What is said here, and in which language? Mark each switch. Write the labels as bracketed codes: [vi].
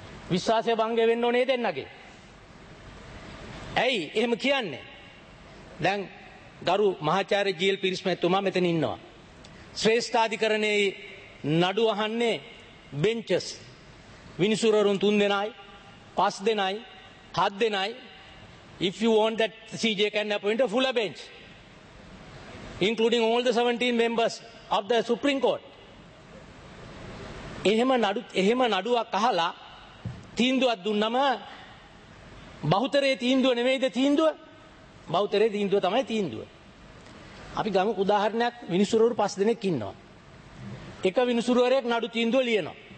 [si] විශ්වාසය භංග වෙන්න ඕනේ දෙන්නගේ. ඇයි එහෙම කියන්නේ? දැන් ගරු මහාචාර්ය ජීල් පිරිස්මෙතුමා මෙතන ඉන්නවා. ශ්‍රේෂ්ඨාධිකරණයේ නඩු අහන්නේ බෙන්චස් විනිසුරරුන් 3 දෙනයි, 5 දෙනයි, 7 දෙනයි. [en] If you want that CJ can appoint a full bench including all the 17 members of the Supreme Court. [si] එහෙම නඩුවක් අහලා තීන්දුවක් දුන්නම බහුතරයේ තීන්දුව නෙමෙයිද තීන්දුව? බෞතරේ තීන්දුව තමයි තීන්දුව. අපි ගමු උදාහරණයක්. විනිසුරවරු 5 දෙනෙක් ඉන්නවා. එක විනිසුරවරයෙක් නඩු තීන්දුව ලියනවා.